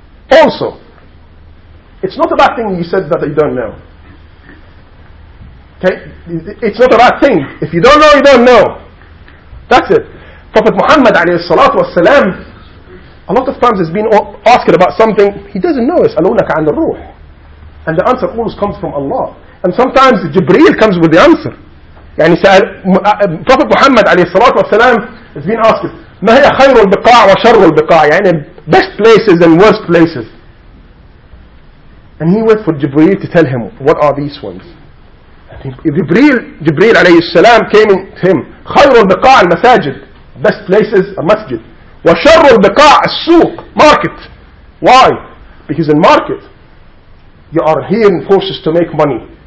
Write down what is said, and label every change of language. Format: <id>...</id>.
<en>Also, it's not a bad thing you said that you don't know. Okay? It's not a bad thing. If you don't know, you don't know. That's it. Prophet Muhammad alayhi salatu wasalam, a lot of times has been asked about something, he doesn't know.</en> <ar>Is'alunaka 'an ar-ruh.</ar> <en>And the answer always comes from Allah. And sometimes Jibreel comes with the answer.</en> <ar>يعني سأل Prophet Muhammad عليه الصلاة والسلام</ar> <en>has been asked,</en> <ar>ما هي خير البقاع وشر البقاع, يعني</ar> <en>best places and worst places. And he went for Jibreel to tell him what are these ones. And Jibreel عليه السلام came to him,</en> <ar>خير البقاع المساجد,</ar> <en>best places a masjid,</en> <ar>وشر البقاع السوق,</ar> <en>market. Why? Because in market you are here in forces to make money.</en>